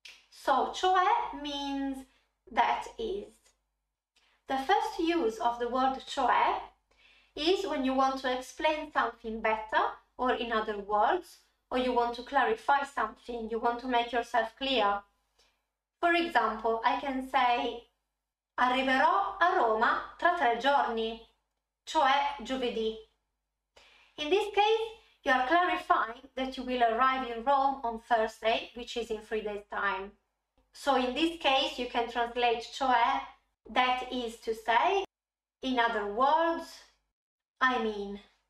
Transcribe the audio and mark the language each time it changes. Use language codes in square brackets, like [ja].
[en] So CIOÈ means that is. The first use of the word CIOÈ is when you want to explain something better, or in other words, or you want to clarify something, you want to make yourself clear. For example, I can say [it] arriverò a Roma tra tre giorni, cioè giovedì. [en] In this case, you are clarifying that you will arrive in Rome on Thursday, which is in 3 days' time. So in this case, you can translate cioè, that is to say, in other words, I mean.